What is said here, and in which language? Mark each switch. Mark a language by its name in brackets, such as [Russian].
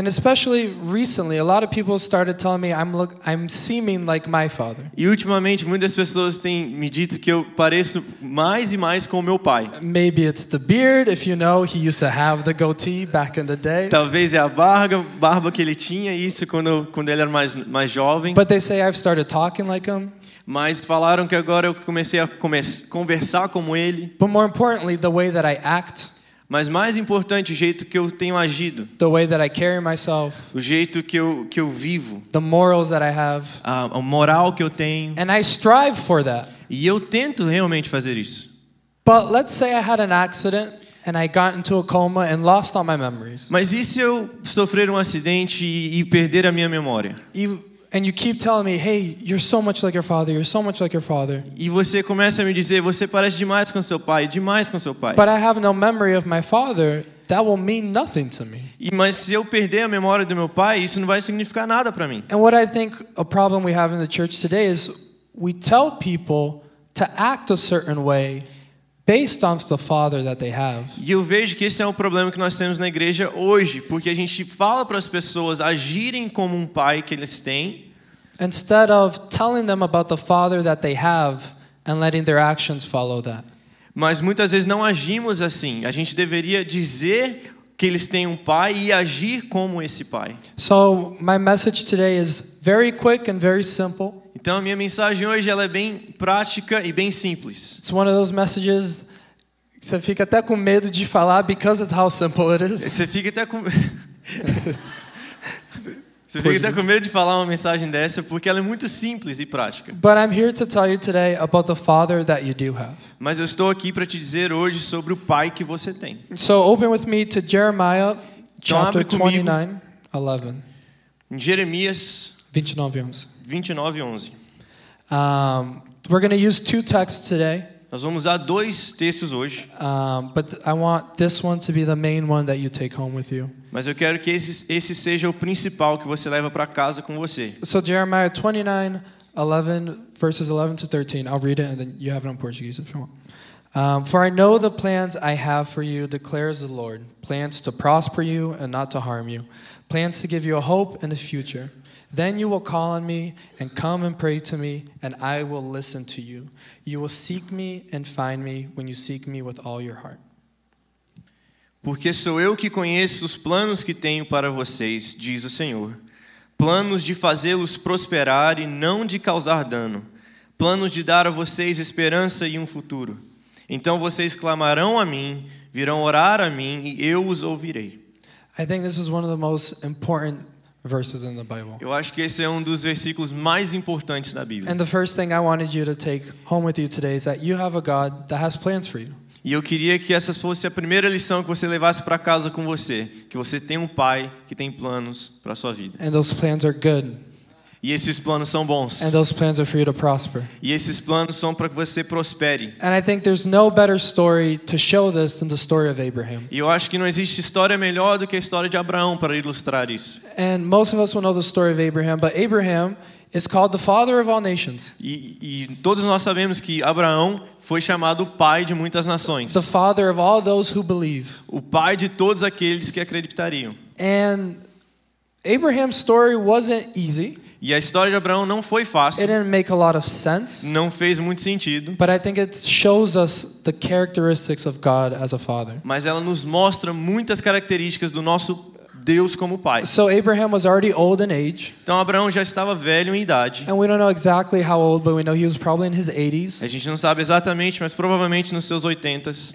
[English] And especially recently, a lot of people started telling me I'm seeming like my father. [Portuguese] E ultimamente muitas pessoas têm me dito que eu pareço mais e mais com meu pai. [English] Maybe it's the beard, if you know, he used to have the goatee back in the day. [Portuguese] Talvez é a barba que ele tinha isso quando ele era mais jovem. [English] But they say I've started talking like him. [Portuguese] Mas falaram que agora eu comecei a conversar como ele. [English] But more importantly, the way that I act. [Portuguese] Mas mais importante, o jeito que eu tenho agido. [English] The way that I carry myself. [Portuguese] O jeito que eu vivo. [English] The morals that I have. [Portuguese] A moral que eu tenho. [English] And I strive for that. [Portuguese] E eu tento realmente fazer isso. [English] But let's say I had an accident and I got into a coma and lost all my memories. [Portuguese] Mas e se eu sofrer acidente e perder a minha memória? [English] And you keep telling me, "Hey, you're so much like your father. You're so much like your father." [Portuguese] E você começa a me dizer, você parece demais com seu pai, demais com seu pai. [English] But I have no memory of my father. That will mean nothing to me. [Portuguese] E mas se eu perder a memória do meu pai, isso não vai significar nada para mim. [English] And what I think a problem we have in the church today is we tell people to act a certain way based on the father that they have. [Portuguese] E eu vejo que esse é um problema que nós temos na igreja hoje, porque a gente fala para as pessoas agirem como um pai que eles têm, [English] instead of telling them about the father that they have and letting their actions follow that. [Portuguese] Mas muitas vezes não agimos assim. A gente deveria dizer que eles têm um pai e agir como esse pai. [English] So my message today is very quick and very simple. [Portuguese] Então a minha mensagem hoje ela é bem prática e bem simples. [English] It's one of those messages [Portuguese] você fica até com medo de falar [English] because of how simple it is. [Portuguese] Você fica até com você fica até com medo de falar uma mensagem dessa porque ela é muito simples e prática. [English] But I'm here to tell you today about the father that you do have. [Portuguese] Mas eu estou aqui para te dizer hoje sobre o pai que você tem. [English] So open with me to Jeremiah chapter 29:11. [Portuguese] Em Jeremias 29:11. [English] We're going to use two texts today. [Portuguese] Nós vamos usar dois textos hoje. [English] But I want this one to be the main one that you take home with you. [Portuguese] Mas eu quero que esse seja o principal que você leva para casa com você. [English] So Jeremiah 29:11, verses 11 to 13. I'll read it and then you have it in Portuguese if you want. For I know the plans I have for you, declares the Lord. Plans to prosper you and not to harm you. Plans to give you a hope and a future. Then you will call on me and come and pray to me, and I will listen to you. You will seek me and find me when you seek me with all your heart. [Portuguese] Porque sou eu que conheço os planos que tenho para vocês, diz o Senhor. Planos de fazê-los prosperar e não de causar dano. Planos de dar a vocês esperança e um futuro. Então vocês clamarão a mim, virão orar a mim e eu os ouvirei. [English] I think this is one of the most important verses in the Bible. [Portuguese] Eu acho que esse é um dos versículos mais importantes da Bíblia. [English] And the first thing I wanted you to take home with you today is that you have a God that has plans for you. [Portuguese] E eu queria que essa fosse a primeira lição que você levasse para casa com você, que você tem um pai que tem planos para sua vida. [English] And those plans are good. [Portuguese] E esses planos são bons. [English] And those plans are for you to prosper. [Portuguese] E esses planos são para que você prospere. [English] And I think there's no better story to show this than the story of Abraham. [Portuguese] E eu acho que não existe história melhor do que a história de Abraão para ilustrar isso. [English] And most of us will know the story of Abraham, but Abraham is called the father of all nations. [Portuguese] E todos nós sabemos que Abraão foi chamado o pai de muitas nações. [English] The father of all those who believe. [Portuguese] O pai de todos aqueles que acreditariam. [English] And Abraham's story wasn't easy. [Portuguese] E a história de Abraão não foi fácil. [English] It didn't make a lot of sense. [Portuguese] Não fez muito sentido. [English] But I think it shows us the characteristics of God as a father. [Portuguese] Mas ela nos mostra muitas características do nosso Deus como pai. [English] So Abraham was already old in age. [Portuguese] Então Abraão já estava velho em idade. [English] And we don't know exactly how old, but we know he was probably in his 80s. [Portuguese] A gente não sabe exatamente, mas provavelmente nos seus 80s.